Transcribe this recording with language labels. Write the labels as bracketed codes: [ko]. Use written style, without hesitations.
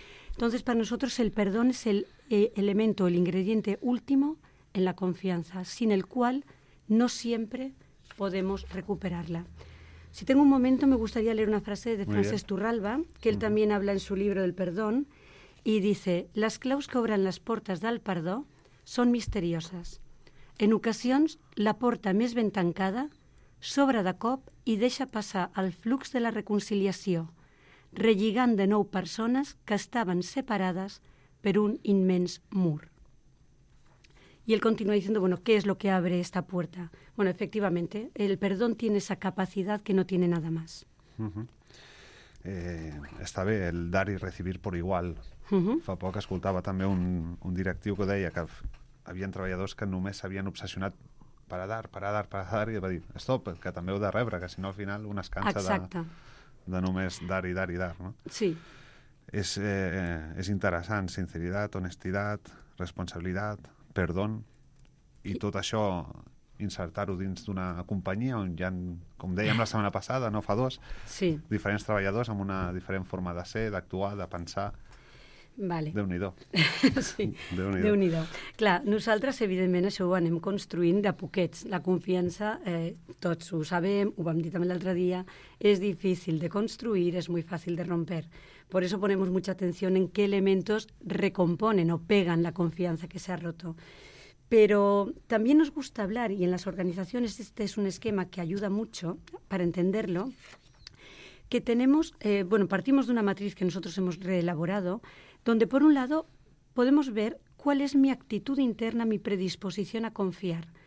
[es] Entonces, para nosotros el perdón es el elemento, el ingrediente último en la confianza, sin el cual no siempre podemos recuperarla. Si tengo un momento, me gustaría leer una frase de Francesc Torralba, que él también habla en su libro del perdón, y dice, [ca] las claus que obran las portas del perdó son misteriosas. En ocasions, la porta més ben tancada s'obre de cop i deixa passar el flux de la reconciliació, relligant de nou persones que estaven separades per un immens mur. [es] Y él continúa diciendo, bueno, ¿qué es lo que abre esta puerta? Bueno, efectivamente, el perdón tiene esa capacidad que no tiene nada más. Está bé, el dar i recibir por igual. [ca] Fa poc escoltava també un directiu que deia que havien treballadors que només s'havien obsessionat per dar, i va dir, stop, que també heu de rebre, que si no al final un es cansa de només dar, no? Sí. És interessant, sinceritat, honestitat, responsabilitat, perdón, i tot això insertar-ho dins d'una companyia on hi ha, com dèiem la setmana passada, no fa dos, sí, diferents treballadors amb una diferent forma de ser, d'actuar, de pensar. Vale. Déu-n'hi-do. Sí, Déu-n'hi-do. Clar, nosaltres, evidentment, això ho anem construint de poquets. La confiança, tots ho sabem, ho vam dir també l'altre dia, és difícil de construir, és molt fàcil de romper. [es] Por eso ponemos mucha atención en qué elementos recomponen o pegan la confianza que se ha roto. Pero también nos gusta hablar, y en las organizaciones este es un esquema que ayuda mucho para entenderlo, que tenemos, partimos de una matriz que nosotros hemos reelaborado, donde por un lado podemos ver cuál es mi actitud interna, mi predisposición a confiar.